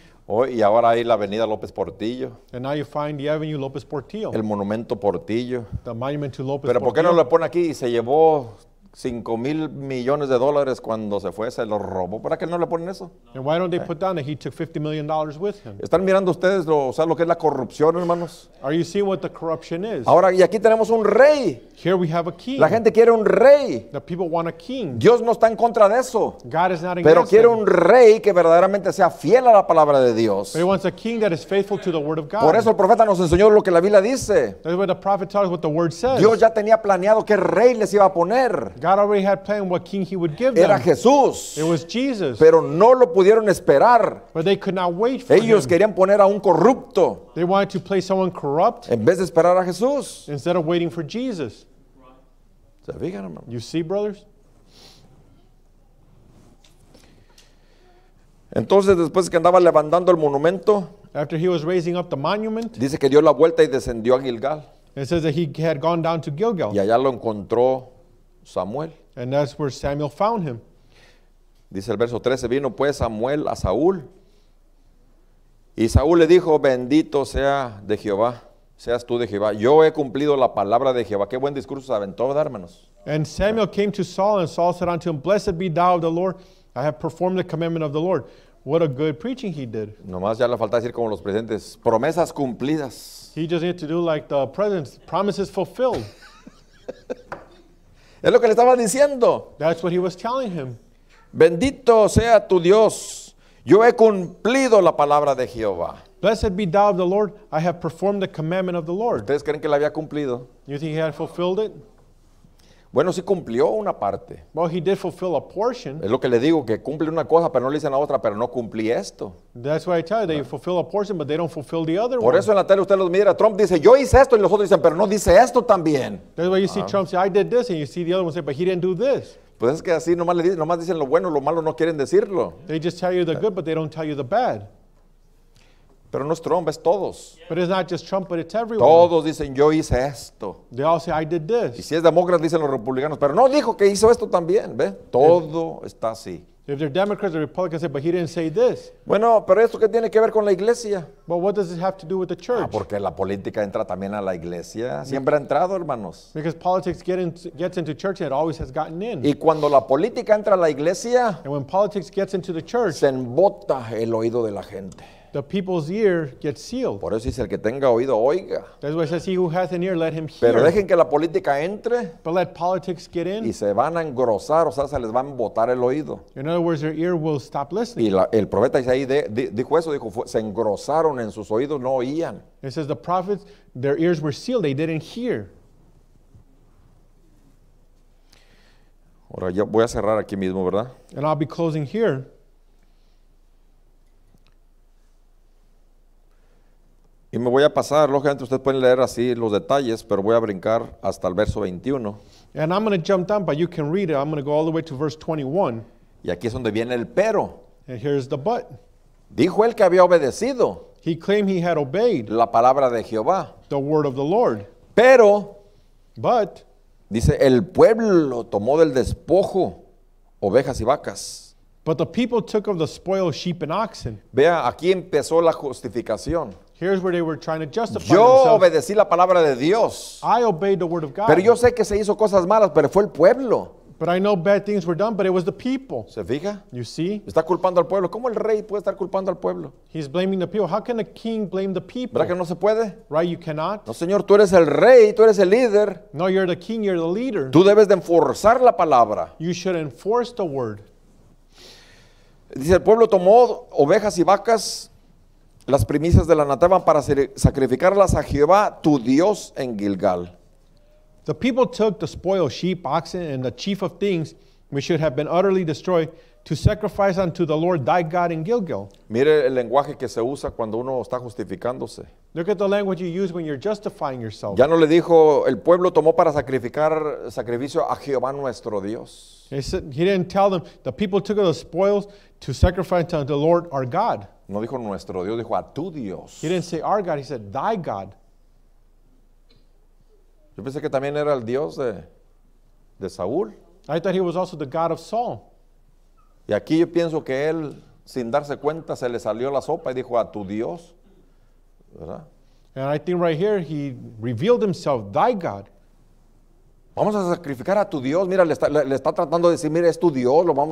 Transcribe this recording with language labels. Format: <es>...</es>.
<es>Oh, y ahora hay la Avenida López Portillo.</es> <en>And now you find the Avenue López Portillo.</en> <es>El Monumento Portillo.</es> <en>The Monument to López Portillo.</en> <es>Pero ¿por qué no lo pone aquí? Se llevó 5 mil millones de dólares cuando se fue, se lo robó. ¿Por qué no le ponen eso?</es> <en>And why don't they put down that he took $50 million with him?</en> <es>¿Están mirando ustedes lo, o sea, lo que es la corrupción, hermanos?</es> <en>Are you seeing what the corruption is?</en> <es>Ahora, y aquí tenemos un rey.</es> <en>Here we have a king.</en> <es>La gente quiere un rey.</es> <en>The people want a king.</en> <es>Dios no está en contra de eso.</es> <en>God is not against</en> <es>pero quiere un rey que verdaderamente sea fiel a la palabra de Dios.</es> <en>But he wants a king that is faithful to the word of God.</en> <es>Por eso el profeta nos enseñó lo que la Biblia dice.</es> <en>That's why the prophet taught us what the word says.</en> <es>Dios ya tenía planeado qué rey les iba a poner.</es> <en>God already had planned what king he would give</en> <es>era</es> <en>them.</en> <es>Era Jesús.</es> <en>It was Jesus.</en> <es>Pero no lo pudieron esperar.</es> <en>But they could not wait for</en> <es>ellos</es> <en>him.</en> <es>Querían poner a un corrupto.</es> <en>They wanted to place someone corrupt.</en> <es>En vez de esperar a Jesús.</es> <en>Instead of waiting for Jesus.</en> <es>¿Se fijan, hermano?</es> <en>You see, brothers?</en> <es>Entonces, después que andaba levantando el monumento,</es> <en>after he was raising up the monument,</en> <es>dice que dio la vuelta y descendió a Gilgal.</es> <en>It says that he had gone down to Gilgal.</en> <es>Y allá lo encontró Samuel.</es> <en>And that's where Samuel found him.</en> <es>Dice el verso 13, vino pues Samuel a Saúl. Y Saúl le dijo, bendito sea de Jehová, seas tú de Jehová. Yo he cumplido la palabra de Jehová. Qué buen discurso se aventó, hermanos.</es> <en>And Samuel came to Saul, and Saul said unto him, blessed be thou of the Lord. I have performed the commandment of the Lord. What a good preaching he did.</en> <es>Nomás ya le falta decir como los presidentes, promesas cumplidas.</es> <en>He just needed to do like the presidents, promises fulfilled.</en> <es>Es lo que le estaba diciendo.</es> <en>That's what he was telling him.</en> <es>Bendito sea tu Dios. Yo he cumplido la palabra de Jehová.</es> <en>Blessed be thou of the Lord. I have performed the commandment of the Lord.</en> <es>¿Ustedes creen que la había cumplido?</es> <en>You think he had fulfilled it?</en> <es>Bueno, sí cumplió una parte.</es> <en>Well, he did fulfill a portion.</en> <es>Es lo que le digo, que cumple una cosa, pero no le dicen la otra, pero no cumplí esto.</es> <en>That's why I tell you, they fulfill a portion, but they don't fulfill the other</en> <es>por</es> <en>one.</en> <es>Por eso en la tele usted los mira, Trump dice, yo hice esto, y los otros dicen, pero no dice esto también.</es> <en>That's why you see Trump say, I did this, and you see the other one say, but he didn't do this.</en> <es>Pues es que así nomás, le dicen, nomás dicen lo bueno, lo malo no quieren decirlo.</es> <en>They just tell you the good, but they don't tell you the bad.</en> <es>Pero no es Trump, es todos.</es> <en>But it's not just Trump, but it's everyone.</en> <es>Todos dicen, yo hice esto.</es> <en>They all say, I did this.</en> <es>Y si es demócrata, dicen los republicanos. Pero no dijo que hizo esto también, ¿ve? Todo está así.</es> <en>If they're Democrats or Republicans, say, but he didn't say this.</en> <es>Bueno, pero ¿esto qué tiene que ver con la iglesia?</es> <en>But what does it have to do with the church?</en> <es>Ah, porque la política entra también a la iglesia. Siempre ha entrado, hermanos.</es> <en>Because politics gets into church, it always has gotten in.</en> <es>Y cuando la política entra a la iglesia,</es> <en>and when politics gets into the church,</en> <es>se embota el oído de la gente.</es> <en>The people's ear gets sealed.</en> <es>Por eso dice, el que tenga oído, oiga.</es> <en>That's why it says, he who hath an ear, let him hear.</en> <es>Pero dejen que la política entre.</es> <en>But let politics get in.</en> <es>Y se van a engrosar, o sea, se les va a embotar el oído.</es> <en>In other words, their ear will stop listening.</en> <es>Y la, el profeta dice ahí, dijo eso, dijo, se engrosaron en sus oídos, no oían.</es> <en>It says the prophets, their ears were sealed, they didn't hear.</en> <es>Ahora yo voy a cerrar aquí mismo, ¿verdad?</es> <en>And I'll be closing here.</en> <es>Y me voy a pasar, lógicamente ustedes pueden leer así los detalles, pero voy a brincar hasta el verso 21.</es> <en>And I'm going to jump down, but you can read it. I'm going to go all the way to verse 21.</en> <es>Y aquí es donde viene el pero.</es> <en>And here's the but.</en> <es>Dijo él que había obedecido.</es> <en>He claimed he had obeyed.</en> <es>La palabra de Jehová.</es> <en>The word of the Lord.</en> <es>Pero.</es> <en>But.</en> <es>Dice, el pueblo tomó del despojo ovejas y vacas.</es> <en>But the people took of the spoil sheep and oxen.</en> <es>Vea, aquí empezó la justificación.</es> <en>Here's where they were trying to justify</en> <es>yo</es> <en>themselves.</en> <es>Yo obedecí la palabra de Dios.</es> <en>I obeyed the word of God.</en> <es>Pero yo sé que se hizo cosas malas, pero fue el pueblo.</es> <en>But I know bad things were done, but it was the people.</en> <es>¿Se fija?</es> <en>You see?</en> <es>Está culpando al pueblo. ¿Cómo el rey puede estar culpando al pueblo?</es> <en>He's blaming the people. How can a king blame the people?</en> <es>¿Verdad que no se puede?</es> <en>Right, you cannot.</en> <es>No, señor, tú eres el rey, tú eres el líder.</es> <en>No, you're the king, you're the leader.</en> <es>Tú debes de enforzar la palabra.</es> <en>You should enforce the word.</en> <es>Dice, el pueblo tomó ovejas y vacas, las primicias de la nativa para sacrificarlas a Jehová, tu Dios, en Gilgal.</es> <en>The people took the spoiled sheep, oxen, and the chief of things, We should have been utterly destroyed to sacrifice unto the Lord thy God in Gilgal.</en> <es>Mire el lenguaje que se usa cuando uno está justificándose.</es> <en>Look at the language you use when you're justifying yourself.</en> <es>Ya no le dijo, el pueblo tomó para sacrificar sacrificio a Jehová nuestro Dios.</es> <en>He didn't tell them, the people took the spoils to sacrifice unto the Lord our God.</en> <es>No dijo nuestro Dios, dijo a tu Dios.</es> <en>He didn't say our God, he said thy God.</en> <es>Yo pensé que también era el Dios de Saúl.</es> <en>I thought he was also the God of Saul.</en> <es>Y aquí yo pienso que él, sin darse cuenta, se le salió la sopa y dijo a tu Dios. ¿Verdad?</es> <en>And I think right here he revealed himself, thy God.</en> <es>Vamos a sacrificar a tu Dios. Mira, le está tratando de decir, mira, es tu Dios.</es>